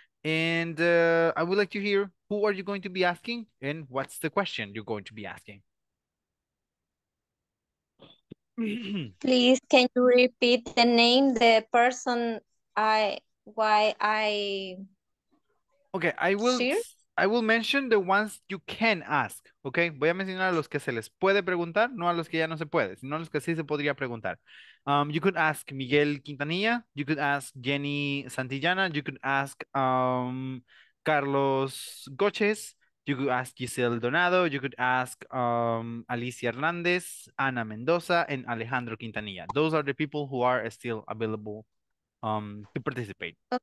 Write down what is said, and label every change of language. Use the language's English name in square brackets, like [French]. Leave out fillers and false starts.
[English] And I would like to hear, who are you going to be asking, and what's the question you're going to be asking? Please, can you repeat the name, the person why I... Okay, I will... Cheers? I will mention the ones you can ask, okay? [Spanish] Voy a mencionar a los que se les puede preguntar, no a los que ya no se puede, sino a los que sí se podría preguntar. [English] You could ask Miguel Quintanilla, you could ask Jenny Santillana, you could ask Carlos Goches, you could ask Giselle Donado, you could ask Alicia Hernandez, Ana Mendoza, and Alejandro Quintanilla. Those are the people who are still available to participate.